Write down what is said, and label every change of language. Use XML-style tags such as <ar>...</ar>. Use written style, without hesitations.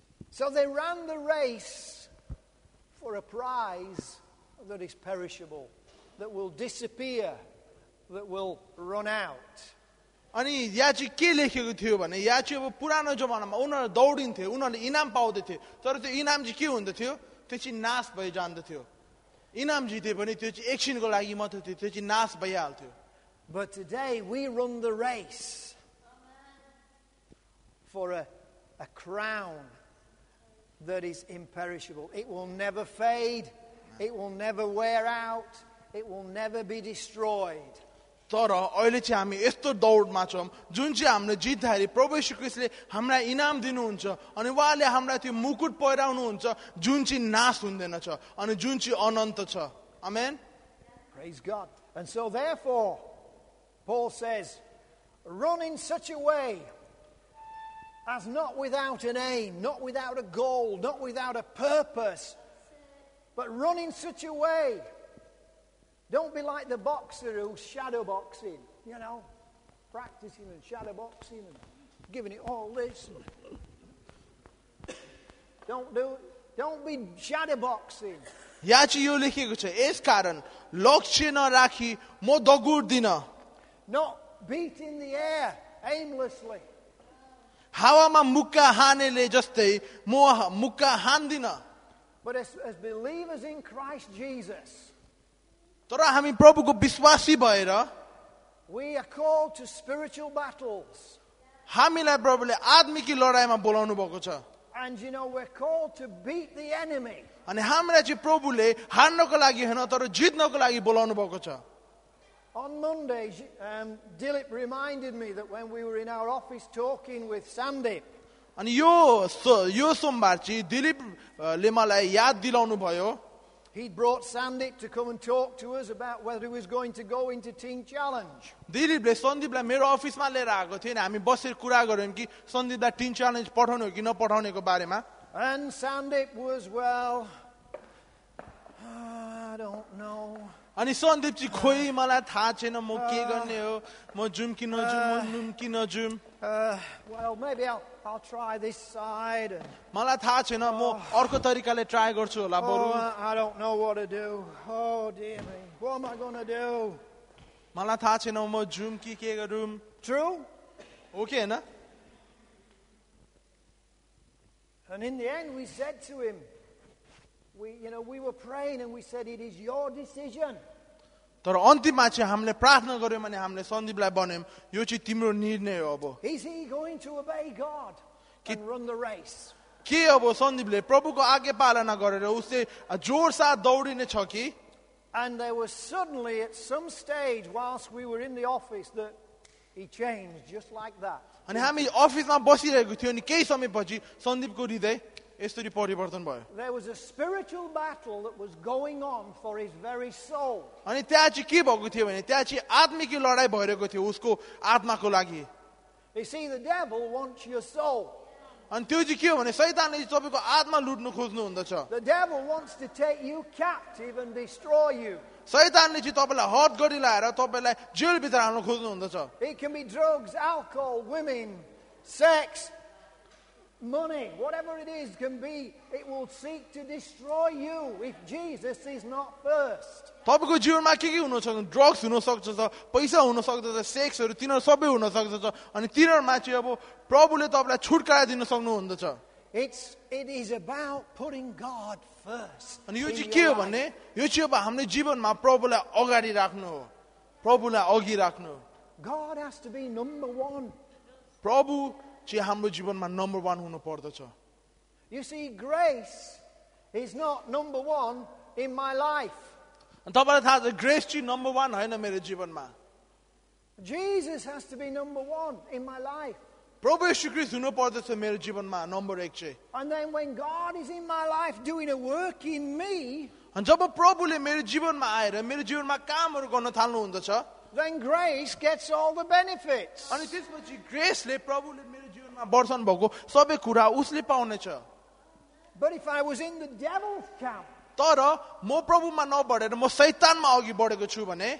<en>So they ran the race for a prize that is perishable, that will disappear, that will run out.</en> <ne>अनि यहाँ चाहिँ के लेखेको थियो भने, यहाँ चाहिँ अब पुरानो जमानामा उनीहरू दौडिन्थे, उनीहरूले इनाम पाउँदै थियो, तर त्यो इनाम चाहिँ के हुँदथ्यो, त्यो चाहिँ नाश भइ जान्दथ्यो. इनाम जिते पनि त्यो चाहिँ एकछिनको लागि मात्र थियो, त्यो चाहिँ नाश भइहाल्थ्यो.</ne> <en>But today we run the race for a crown that is imperishable. It will never fade, it will never wear out, it will never be destroyed.</en> <ne>तर अहिले चाहिँ हामी यस्तो दौडमा छौँ जुन चाहिँ हामीले जित्दाखेरि प्रभु येशू ख्रीष्टले हामीलाई इनाम दिनुहुन्छ, अनि उहाँले हामीलाई त्यो मुकुट पहिराउनुहुन्छ जुन चाहिँ नाश हुँदैन छ, अनि जुन चाहिँ अनन्त छ. आमेन.</ne> <en>Praise God. And so therefore Paul says, run in such a way as not without an aim, not without a goal, not without a purpose, but run in such a way. Don't be like the boxer who's shadow boxing, you know, practicing and shadow boxing and giving it all this. Don't be shadow boxing.</en> <ne>यहाँ चाहिँ यो लेखिएको छ, यस कारण लक्ष्य नराखी म दगुर्दिन.</ne> <en>Not beating the air aimlessly.</en> <ne>हावामा मुक्का हानेले जस्तै म मुक्का हान्दिन.</ne> <en>But as believers in Christ Jesus,</en> <ne>तर हामी प्रभुको विश्वासी भएर</ne> <en>we are called to spiritual battles.</en> <ne>हामीलाई प्रभुले आत्मिक लडाईमा बोलाउनु भएको छ.</ne> <en>And you know we're called to beat the enemy.</en> <ne>अनि हामीलाई चाहिँ प्रभुले हार्नको लागि होइन तर जित्नको लागि बोलाउनु भएको छ.</ne> <en>On Monday, Dilip reminded me that when we were in our office talking with Sandeep.</en> <ne>अनि यो यो सोमबार चाहिँ दिलीपले मलाई याद दिलाउनु भयो.</ne> <en>He brought Sandeep to come and talk to us about whether he was going to go into Team Challenge.</en> <ne>दिलीपले सन्दीपलाई मेरो अफिसमा लिएर आएको थियो, अनि हामी बसेर कुरा गर्यौँ कि सन्दीपलाई टिम च्यालेन्ज पठाउने हो कि नपठाउनेको बारेमा.</ne> <en>And Sandeep was, well, I don't know.</en> <ne>अनि सन्दीप चाहिँ खोइ मलाई थाहा छैन म के गर्ने हो, म जुम कि नजुम कि नजुम.</ne> <en>Well, maybe I'll try this side.</en> <ne>मलाई थाहा छैन म अर्को तरिकाले ट्राई गर्छु होला बरु.</ne> <en>I don't know what to do. Oh dear me. What am I going to do?</en> <ne>मलाई थाहा छैन म जुम कि के गरौँ.</ne> <en>True? Okay, na. And in the end we said to him, we were praying and we said it is your decision.</en> <ne>तर अन्तिममा चाहिँ हामीले प्रार्थना गर्यौँ अनि हामीले सन्दीपलाई भन्यौँ यो चाहिँ तिम्रो निर्णय हो अब.</ne> <en>Is he going to obey God and run the race?</en> <ne>के अब सन्दीपले प्रभुको आज्ञा पालना गरेर उसले जोरसाथ दौडिने छ कि?</ne> <en>And there was suddenly at some stage whilst we were in the office that he changed just like that.</en> <ne>अनि हामी अफिसमा बसिरहेको थियो अनि केही समयपछि सन्दीपको हृदय यसरी परिवर्तन भयो.</ne> <en>There was a spiritual battle that was going on for his very soul.</en> <ne>अनि त्यहाँ चाहिँ के भएको थियो भने त्यहाँ चाहिँ आत्मिक लडाई भइरहेको थियो उसको आत्माको लागि.</ne> <en>You see, the devil wants your soul.</en> <ne>अनि त्यो चाहिँ के हो भने शैतानले तपाईँको आत्मा लुट्नु खोज्नु हुँदछ.</ne> <en>The devil wants to take you captive and destroy you.</en> <ne>शैतानले चाहिँ तपाईँलाई हट गरी लगाएर तपाईँलाई जेलभित्र हाल्नु खोज्नु हुँदछ.</ne> <en>It can be drugs, alcohol, women, sex, money, whatever it is can be, it will seek to destroy you if Jesus is not first.</en> <ne>तपाईँको जीवनमा के के हुन सक्छ, ड्रग्स हुन सक्दछ, पैसा हुन सक्दछ, सेक्सहरू, तिनीहरू सबै हुन सक्दछ, अनि तिनीहरूमा चाहिँ अब प्रभुले तपाईँलाई छुटकारा दिन सक्नुहुँदछ.</ne> <en>It is about putting God first.</en> <ne>अनि यो चाहिँ के हो भने यो चाहिँ अब हाम्रो जीवनमा प्रभुलाई अगाडि राख्नु हो, प्रभुलाई अघि राख्नु हो.</ne> <en>God has to be number one.</en> <ne>प्रभु चाहिँ हाम्रो जीवनमा नम्बर वान हुनु पर्दछ.</ne> <en>You see, grace is not number one in my life.</en> <ne>तपाईँलाई थाहा छ ग्रेस चाहिँ नम्बर वान होइन मेरो जीवनमा.</ne> <en>Jesus has to be number one in my life.</en> <ne>प्रभु येशू ख्रीष्ट हुनु पर्दछ मेरो जीवनमा नम्बर एक चाहिँ.</ne> <en>And then when God is in my life doing a work in me,</en> <ne>अनि जब प्रभुले मेरो जीवनमा आएर मेरो जीवनमा कामहरू गर्न थाल्नु हुँदछ,</ne> <en>then grace gets all the benefits.</en> <ne>अनि त्यसपछि grace ले प्रभुले मेरो जीवनमा वर्षण भएको सबै कुरा उसले पाउनेछ.</ne> <en>But if I was in the devil's camp,</en> <ne>तर म प्रभुमा नबढेर म शैतानमा अघि बढेको छु भने,</ne>